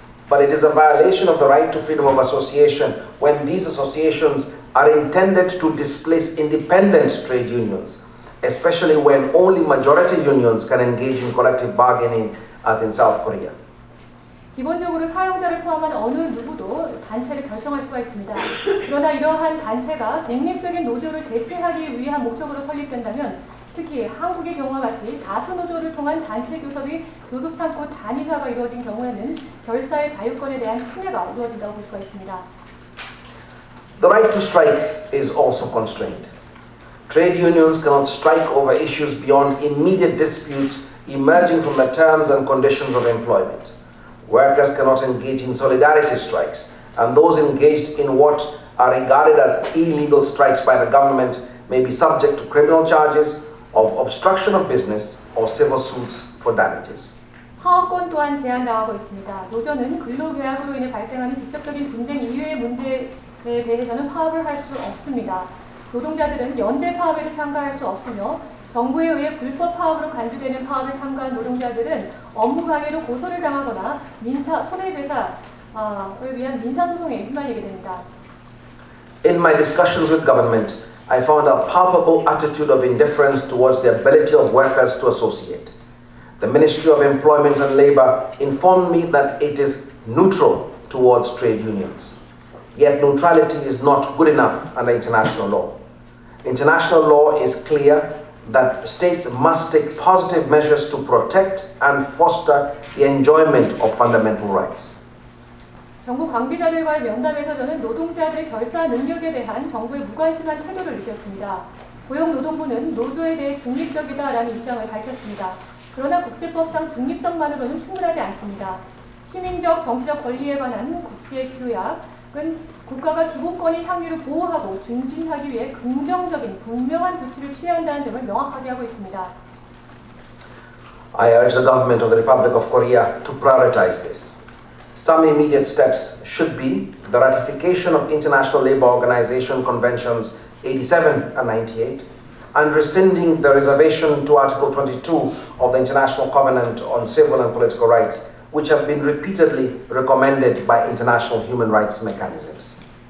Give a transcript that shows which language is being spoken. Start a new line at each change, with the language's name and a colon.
English: But it is a violation of the right to freedom of association when these associations are intended to displace independent trade unions, especially when only majority unions can engage in collective bargaining, as in South Korea.
Korean: 기본적으로 사용자를 포함한 어느 누구도 단체를 결성할 수가 있습니다. 그러나 이러한 단체가 독립적인 노조를 대체하기 위한 목적으로 설립된다면 특히 한국의 경우와 같이 다수 노조를 통한 단체 교섭이 교섭 창구 단일화가 이루어진 경우에는 결사의 자유권에 대한 침해가 이루어진다고 볼 수가 있습니다.
English: The right to strike is also constrained. Trade unions cannot strike over issues beyond immediate disputes emerging from the terms and conditions of employment. Workers cannot engage in solidarity strikes, and those engaged in what are regarded as illegal strikes by the government may be subject to criminal charges of obstruction of business or civil suits for damages.
Korean: 파업권 또한 제한당하고 있습니다. 노조는 근로계약으로 인해 발생하는 직접적인 분쟁 이외의 문제에 대해서는 파업을 할 수 없습니다. 노동자들은 연대 파업에도 참가할 수 없으며 정부에 의해 불법 파업으로 간주되는 파업에 참가한 노동자들은 업무 방해로 고소를 당하거나 민사 손해배상을 위한 민사 소송에 휘말리게 됩니다.
English: In my discussions with government, I found a palpable attitude of indifference towards the ability of workers to associate. The Ministry of Employment and Labor informed me that it is neutral towards trade unions. Yet neutrality is not good enough under international law. International law is clear that states must take positive measures to protect and foster the enjoyment of fundamental rights.
Korean: 정부 관계자들과의 면담에서 저는 노동자들의 결사 능력에 대한 정부의 무관심한 태도를 느꼈습니다. 고용노동부는 노조에 대해 중립적이다라는 입장을 밝혔습니다. 그러나 국제법상 중립성만으로는 충분하지 않습니다. 시민적, 정치적 권리에 관한 국제 규약은 국가가 기본권의 향유를 보호하고 증진하기 위해 긍정적인 분명한 조치를 취해야 한다는 점을 명확하게 하고 있습니다.
English: I urge the government of the Republic of Korea to prioritize this. Some immediate steps should be the ratification of International Labour Organization Conventions 87 and 98 and rescinding the reservation to Article 22 of the International Covenant on Civil and Political Rights, which have been repeatedly recommended by international human rights mechanisms.